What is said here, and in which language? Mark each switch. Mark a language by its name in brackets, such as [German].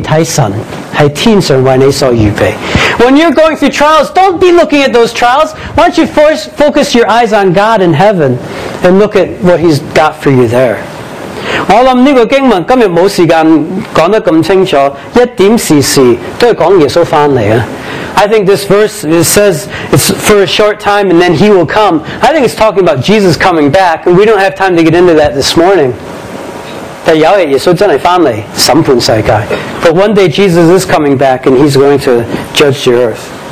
[Chinese] 当我们看困难的时候，你不要盯着困难，你反而看神，是天上为你所预备。 [English] When you're going through trials, don't be looking at those trials. Why don't you first focus your eyes on God in heaven and look at what He's got for you there. [Chinese] 我想这个经文今天没时间讲得那么清楚，一点事事都是讲耶稣回来的。 [English] I think this verse, it says it's for a short time and then He will come. I think it's talking about Jesus coming back, and we don't have time to get into that this morning. But one day Jesus is coming back and He's going to judge the earth.